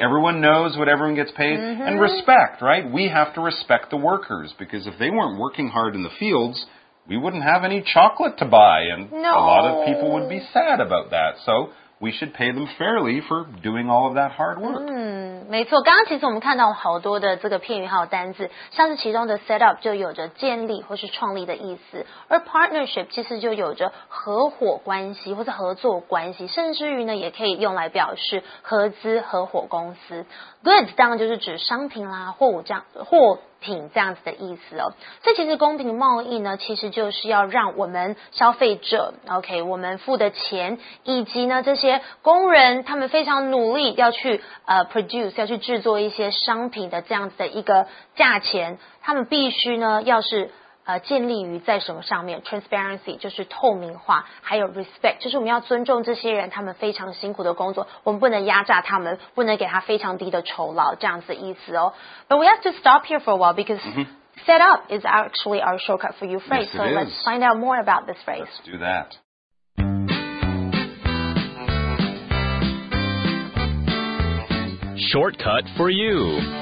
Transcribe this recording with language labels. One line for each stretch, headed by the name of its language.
English: Everyone knows what everyone gets paid. And respect, right? We have to respect the workers because if they weren't working hard in the fields, we wouldn't have any chocolate to buy. And a lot of people would be sad about that. So... We should pay them fairly for doing all of that hard work.
Chinese: 没错，刚刚其实我们看到好多的这个片语还有单字，像是其中的 set up 就有着建立或是创立的意思，而 partnership 其实就有着合伙关系或是合作关系，甚至于呢也可以用来表示合资合伙公司。 Goods 当然就是指商品啦，货物这样货。品这样子的意思哦，这其实公平贸易呢，其实就是要让我们消费者 ，OK， 我们付的钱，以及呢这些工人他们非常努力要去produce 要去制作一些商品的这样子的一个价钱，他们必须呢要是建立于在什么上面 ，transparency 就是透明化，还有 respect 就是我们要尊重这些人他们非常辛苦的工作，我们不能压榨他们，不能给他非常低的酬劳这样子的意思哦。
English: But we have to stop here for a while because set up is actually our shortcut for you phrase. Yes, it is. So let's find out more about this phrase. Let's do that. Shortcut for you.